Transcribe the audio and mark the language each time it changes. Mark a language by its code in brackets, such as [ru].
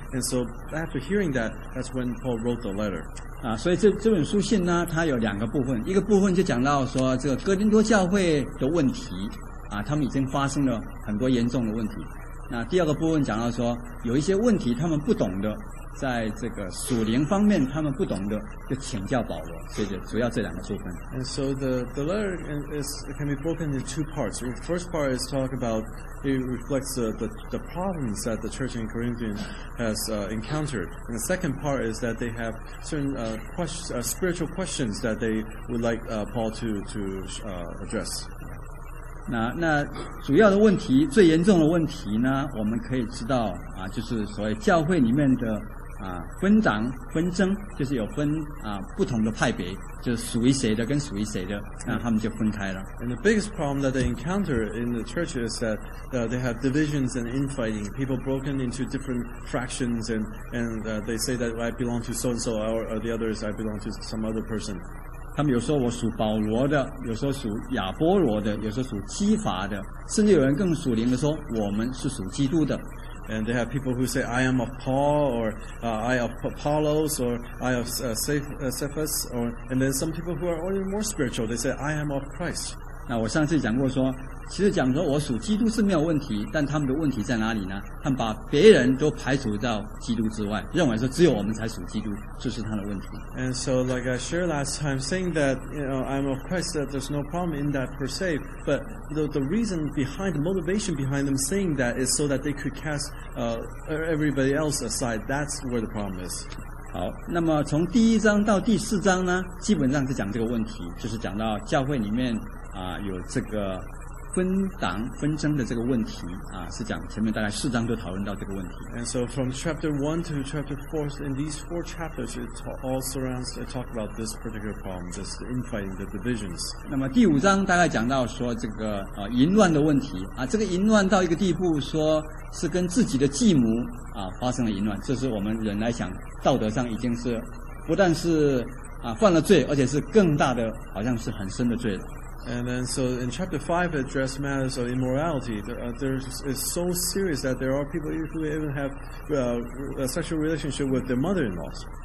[en] And so after hearing that, that's when Paul wrote the letter. [zh] 所以这本书信呢，它有两个部分，一个部分就讲到说这个哥林多教会的问题他们已经发生了很多严重的问题。那第二个部分讲到说有一些问题他们不懂的，在这个属灵方面他们不懂的，就请教保罗，所以就主要这两个部分。 [en] And so the letter can be broken into two parts. The first part is talk about it reflects the problems that the church in Corinthians has encountered. And the second part is that they have certain questions, spiritual questions that they would like Paul to address. [zh] 那主要的问题，最严重的问题呢，我们可以知道就是所谓教会里面的分党纷争，就是有分不同的派别，就是属于谁的跟属于谁的，那他们就分开了。 [en] And the biggest problem that they encounter in the church is that they have divisions and infighting, people broken into different fractions, and they say that I belong to so and so, or the others I belong to some other person. [zh] 他们有时候我属保罗的，有时候属亚波罗的，有时候属基法的，甚至有人更属灵的说我们是属基督的。 [en] And they have people who say, I am of Paul, or I of Apollos, or I of Cephas, and then some people who are even more spiritual, they say, I am of Christ. [zh] 那我上次讲过说，其实讲说我属基督是没有问题，但他们的问题在哪里呢？他们把别人都排除到基督之外，认为说只有我们才属基督，这是他的问题。 [en] And so like I shared last time, saying that I'm of Christ, that there's no problem in that per se, but the reason behind, the motivation behind them saying that is so that they could cast everybody else aside. That's where the problem is. [zh] 好，那么从第一章到第四章呢，基本上是讲这个问题，就是讲到教会里面有这个分党纷争的这个问题是讲前面大概四章都讨论到这个问题。 [en] And so from chapter 1 to chapter 4, in these four chapters it all surrounds to talk about this particular problem, this infighting, the divisions. [zh] 那么第五章大概讲到说这个淫乱的问题这个淫乱到一个地步说是跟自己的继母发生了淫乱，这是我们人来想道德上已经是不但是犯了罪，而且是更大的，好像是很深的罪了。 [en] And then so in chapter 5 it addressed matters of immorality. It's so serious that there are people who even have a sexual relationship with their mother-in-laws.